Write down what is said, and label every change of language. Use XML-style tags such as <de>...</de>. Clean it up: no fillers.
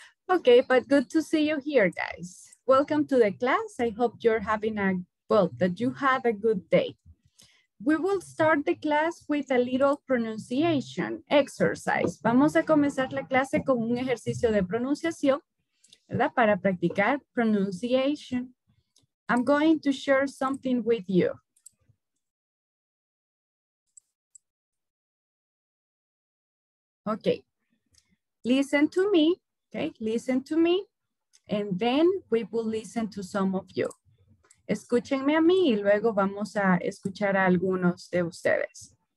<en>Okay, but good to see you here, guys. Welcome to the class. I hope you're having that you have a good day. We will start the class with a little pronunciation exercise.</en> <es>Vamos a comenzar la clase con un ejercicio de pronunciación, ¿verdad? Para practicar</es> <en>pronunciation. I'm going to share something with you. Okay. Listen to me. Okay. Listen to me. And then we will listen to some of you.</en> <es>Escúchenme a mí y luego vamos a escuchar a algunos de ustedes.</es>